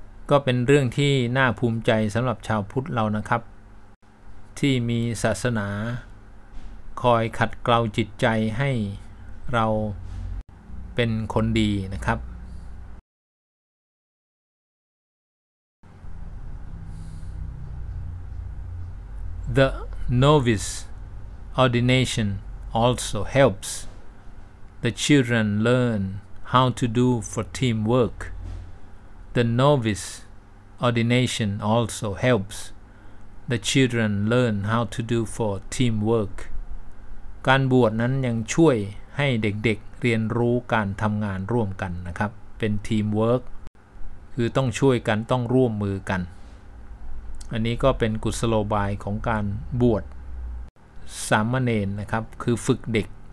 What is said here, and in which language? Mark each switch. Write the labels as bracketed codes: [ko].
[th] ก็เป็นเรื่องที่น่าภูมิใจสำหรับชาวพุทธเรานะครับที่มีศาสนาคอยขัดเกลาจิตใจให้เราเป็นคนดีนะครับ [en] The novice ordination also helpsThe children learn how to do for teamwork. The novice ordination also helps. The children learn how to do for teamwork. [th] การบวชนั้นยังช่วยให้เด็กๆเรียนรู้การทำงานร่วมกันนะครับเป็น teamwork คือต้องช่วยกันต้องร่วมมือกันอันนี้ก็เป็นกุศโลบายของการบวชสามเณรนะครับคือฝึกเด็ก